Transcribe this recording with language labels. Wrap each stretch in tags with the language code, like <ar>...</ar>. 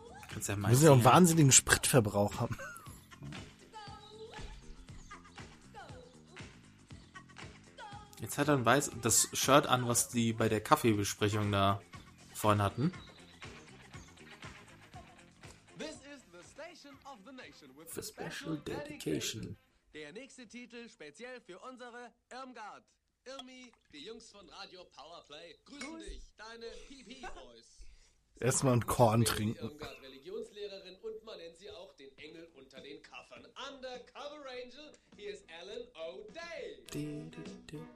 <de>Kannst ja meinen. Müssen ja auch einen wahnsinnigen Spritverbrauch haben. Jetzt hat er das Shirt an, was die bei der Kaffeebesprechung da vorhin hatten.</de> <en>This is the station of the nation with a special dedication.</en> <de>Der nächste Titel speziell für unsere Irmgard. Irmi, die Jungs von Radio Powerplay grüßen dich, deine PP-Boys. Erstmal ein Korn trinken. Irmgard, Religionslehrerin, und man nennt sie auch den Engel unter den Kaffern. Undercover Angel, hier ist Alan O'Day.</de>